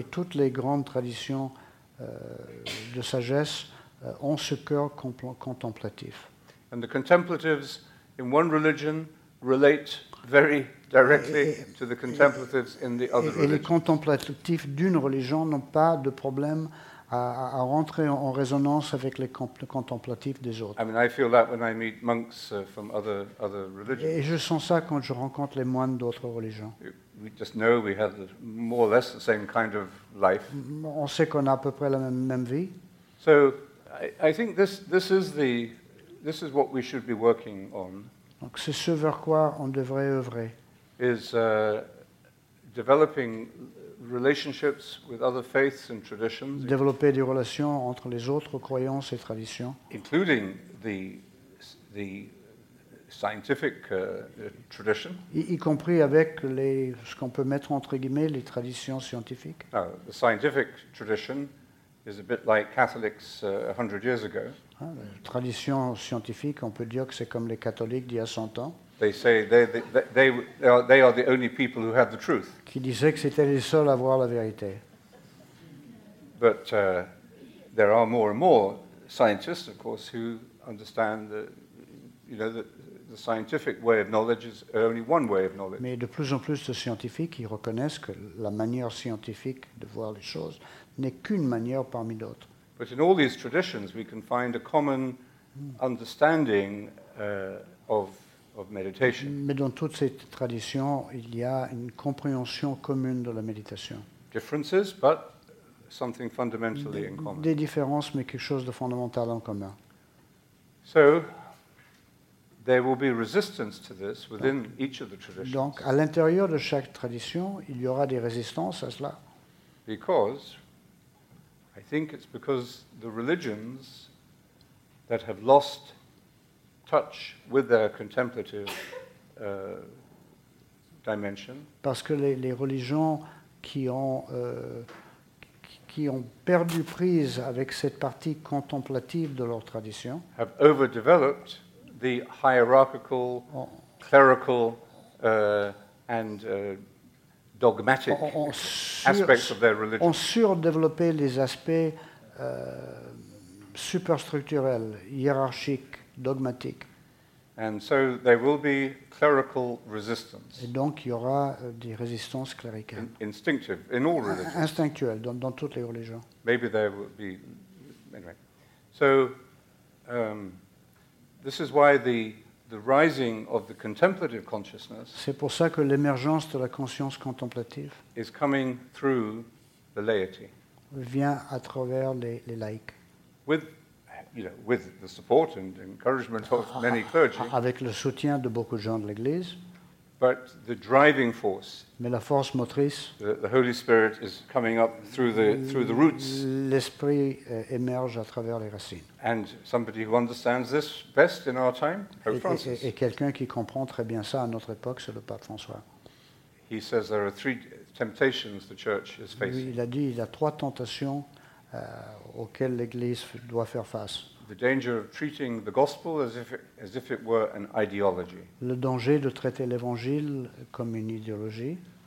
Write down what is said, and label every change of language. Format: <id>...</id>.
<fr>Et toutes les grandes traditions de sagesse ont ce cœur contemplatif.</fr> <en>And the contemplatives in one religion relate very directly to the contemplatives in the other religion.</en> <fr>Et les contemplatifs d'une religion n'ont pas de problème à rentrer en résonance avec les contemplatifs des autres.</fr> <en>I mean, I feel that when I meet monks from other religions.</en> <fr>Et je sens ça quand je rencontre les moines d'autres religions.</fr> <en>We just know we have more or less the same kind of life.</en> <fr>On sait qu'on a à peu près la même vie.</fr> <en>So, I think this is what we should be working on.</en> <fr>Donc c'est ce vers quoi on devrait œuvrer.</fr> <en>Is developing relationships with other faiths and traditions.</en> <fr>Développer des relations entre les autres croyances et traditions.</fr> <en>Including the scientific tradition.</en> <fr>Y compris avec ce qu'on peut mettre entre guillemets les traditions scientifiques.</fr> <en>Now, the scientific tradition is a bit like Catholics 100 years ago.</en> <fr>La tradition scientifique, on peut dire que c'est comme les catholiques d'il y a 100 ans.</fr> <en>They say they are the only people who have the truth.</en> <fr>Qui disait que c'était les seuls à voir la vérité.</fr> <en>But there are more and more scientists, of course, who understand the scientific way of knowledge is only one way of knowledge.</en> <fr>Mais de plus en plus de scientifiques qui reconnaissent que la manière scientifique de voir les choses n'est qu'une manière parmi d'autres.</fr> <en>But in all these traditions, we can find a common understanding of of meditation.</en> <fr>Mais dans toutes ces traditions, il y a une compréhension commune de la méditation.</fr> <en>Differences, but something fundamentally in common.</en> <fr>Des différences, mais quelque chose de fondamental en commun.</fr> <en>So, there will be resistance to this within each of the traditions.</en> <fr>Donc, à l'intérieur de chaque tradition, il y aura des résistances à cela.</fr> <en>Because, I think it's because the religions that have lost touch with their contemplative dimension.</en> <fr>Parce que les religions qui ont perdu prise avec cette partie contemplative de leur tradition.</fr> <en>Have overdeveloped the hierarchical, clerical, and dogmatic aspects of their religion.</en> <fr>Ont surdéveloppé les aspects superstructurels, hiérarchiques, dogmatiques.</fr> <en>And so there will be clerical resistance.</en> <fr>Et donc il y aura des résistances cléricales.</fr> <en>Instinctive in all religions.</en> <fr>Instinctuelles dans toutes les religions.</fr> <en>Maybe there will be anyway. So this is why the rising of the contemplative consciousness.</en> <fr>C'est pour ça que l'émergence de la conscience contemplative</fr> <en>is coming through the laity.</en> <fr>Vient à travers les laïcs.</fr> <en>With the support and encouragement of many clergy.</en> <fr>Avec le soutien de beaucoup de gens de l'Église.</fr> <en>But the driving force.</en> <fr>Mais la force motrice.</fr> <en>The Holy Spirit is coming up through the roots.</en> <fr>L'esprit émerge à travers les racines.</fr> <en>And somebody who understands this best in our time, Pope Francis.</en> <fr>Et quelqu'un qui comprend très bien ça à notre époque, c'est le pape François.</fr> <en>He says there are three temptations the church is facing.</en> <fr>Il a dit, il y a trois tentations. Auquel l'Église doit faire face.</fr> <en>The danger of treating the gospel as if it were an ideology.</en> <fr>Le danger de traiter l'Évangile comme une idéologie.</fr>